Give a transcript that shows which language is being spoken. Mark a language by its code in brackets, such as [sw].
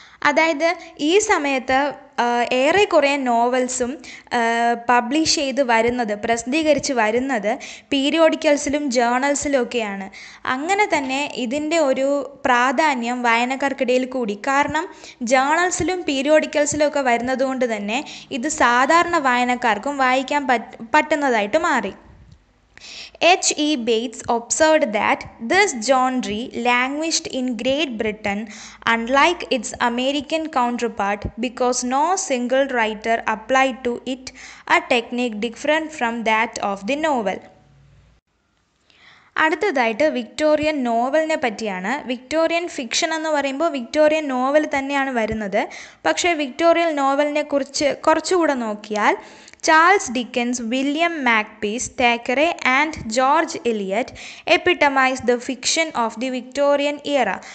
[ml] അതായത് ഈ സമയത്ത് ഏറെ കുറേ നോവൽസും പബ്ലിഷ് ചെയ്ത് വരുന്നത്, പ്രസിദ്ധീകരിച്ച് വരുന്നത് പീരിയോഡിക്കൽസിലും ജേണൽസിലുമൊക്കെയാണ്. അങ്ങനെ തന്നെ ഇതിൻ്റെ ഒരു പ്രാധാന്യം വായനക്കാർക്കിടയിൽ കൂടി, കാരണം ജേണൽസിലും പീരിയോഡിക്കൽസിലുമൊക്കെ വരുന്നതുകൊണ്ട് തന്നെ ഇത് സാധാരണ വായനക്കാർക്കും വായിക്കാൻ പറ്റുന്നതായിട്ട് മാറി. [en] H. E. Bates observed that this genre languished in Great Britain, unlike its American counterpart, because no single writer applied to it a technique different from that of the novel. [ml] അടുത്തതായിട്ട് വിക്ടോറിയൻ നോവലിനെ പറ്റിയാണ്. Victorian fiction എന്ന് പറയുമ്പോൾ Victorian novel തന്നെയാണ് വരുന്നത്. പക്ഷേ Victorian നോവലിനെ കുറിച്ച് കുറച്ചുകൂടെ നോക്കിയാൽ, [en] Charles Dickens, William Makepeace, Thackeray and George Eliot epitomise the fiction of the Victorian era.